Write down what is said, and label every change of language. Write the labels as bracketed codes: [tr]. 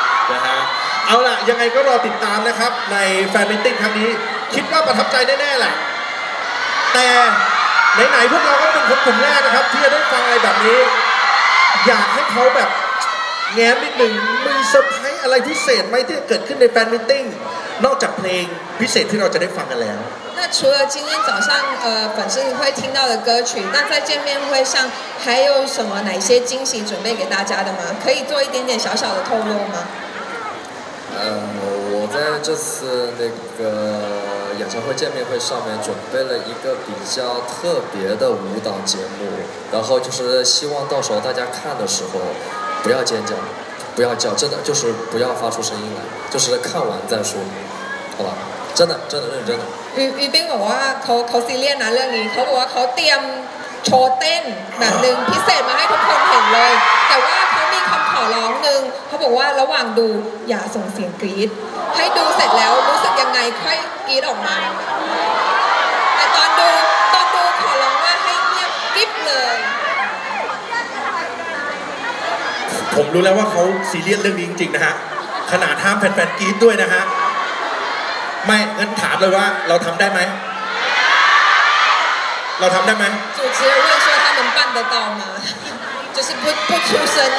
[th] นะฮะเอาล่ะยังไงก็รอติดตามนะครับในแฟนมีตติ้งครั้งนี้คิดว่าประทับใจแน่ๆแหละแต่ไหนๆพวกเราก็เป็นคนกลุ่มแรกนะครับที่จะได้ฟังอะไรแบบนี้อยากให้เขาแบบแง้มนิดหนึ่งมีเซอร์ไพรส์อะไรพิเศษไหมที่เกิดขึ้นในแฟนมีตติ้งนอกจากเพลงพิเศษที่เราจะได้ฟังกันแล้ว [zh] 那除了今天早上粉丝会听到的歌曲，那在见面会上还有什么哪些惊喜准备给大家的吗？可以做一点点小小的透露吗？我在这次那个演唱会见面会上面准备了一个比较特别的舞蹈节目，然后就是希望到时候大家看的时候。不要尖叫，不要叫，真的就是不要发出声音来，就是看完再说，好吧？真的，真的，认真的。 [th] 于斌บอกว่าเขาซีเรียสนะเรื่องนี้เขาบอกว่าเขาเตรียมโชว์เต้นแบบนึงพิเศษมาให้ทุกคนเห็นเลยแต่ว่าเขามีคำขอร้องนึงเขาบอกว่าระหว่างดูอย่าส่งเสียงกรี๊ดให้ดูเสร็จแล้วรู้สึกยังไงค่อยกรี๊ดออกมาแต่ตอนดูขอร้องว่าให้เงียบกริ๊บเลย ผมรู้แล้วว่าเขาซีเรียสเรื่องนี้จริงๆนะฮะขนาดห้ามแฟนๆกรี๊ดด้วยนะฮะไม่งั้นถามเลยว่าเราทำได้ไหมเราทำได้ไหม [zh] 主持人问说他能办得到吗就是不出声